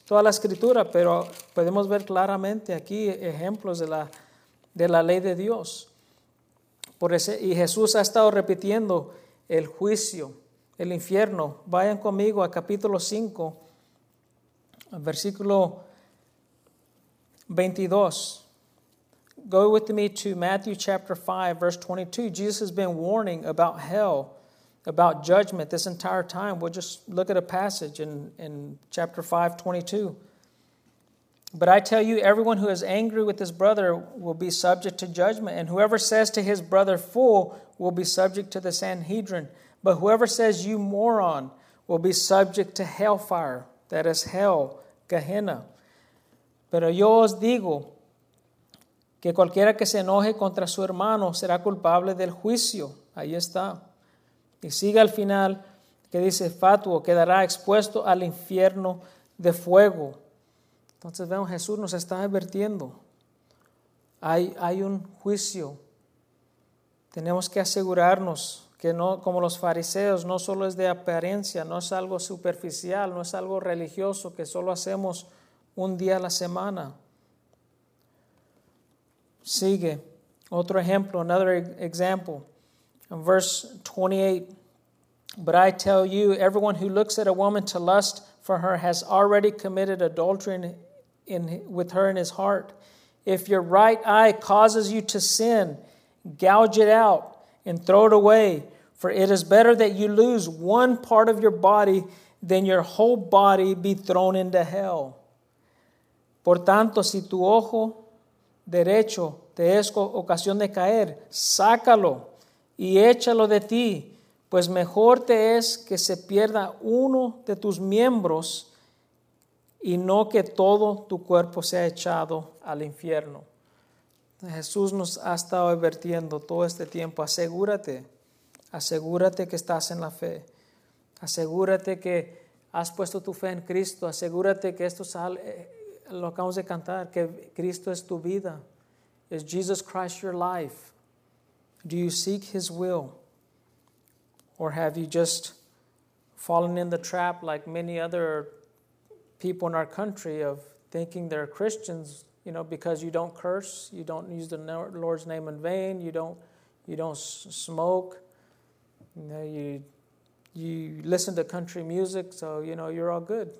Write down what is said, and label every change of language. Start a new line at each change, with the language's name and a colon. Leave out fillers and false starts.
Spanish: Toda la Escritura, pero podemos ver claramente aquí ejemplos de la ley de Dios. Y Jesús ha estado repitiendo el juicio, el infierno. Vayan conmigo a capítulo 5, versículo 22.
English: Go with me to Matthew chapter 5, verse 22. Jesus has been warning about hell, about judgment this entire time. We'll just look at a passage in chapter 5, 22. But I tell you, everyone who is angry with his brother will be subject to judgment. And whoever says to his brother, fool, will be subject to the Sanhedrin. But whoever says, you moron, will be subject to hellfire. That is hell, Gehenna.
Spanish: Pero yo os digo que cualquiera que se enoje contra su hermano será culpable del juicio. Ahí está. Y sigue al final, que dice, fatuo, quedará expuesto al infierno de fuego. Entonces vemos, Jesús nos está advirtiendo. Hay un juicio. Tenemos que asegurarnos que no, como los fariseos, no solo es de apariencia, no es algo superficial, no es algo religioso que solo hacemos un día a la semana.
English: Sigue, otro ejemplo, another example, in verse 28. But I tell you, everyone who looks at a woman to lust for her has already committed adultery with her in his heart. If your right eye causes you to sin, gouge it out and throw it away. For it is better that you lose one part of your body than your whole body be thrown into hell.
Spanish: Por tanto, si tu ojo derecho te es ocasión de caer, sácalo y échalo de ti, pues mejor te es que se pierda uno de tus miembros y no que todo tu cuerpo sea echado al infierno. Jesús nos ha estado advirtiendo todo este tiempo, asegúrate, asegúrate que estás en la fe, asegúrate que has puesto tu fe en Cristo, asegúrate que esto sale, lo acabamos de cantar, que Cristo es tu vida.
English: Is Jesus Christ your life? Do you seek His will? Or have you just fallen in the trap like many other people in our country of thinking they're Christians, you know, because you don't curse, you don't use the Lord's name in vain, you don't smoke, you know, you listen to country music, so, you know, you're all good.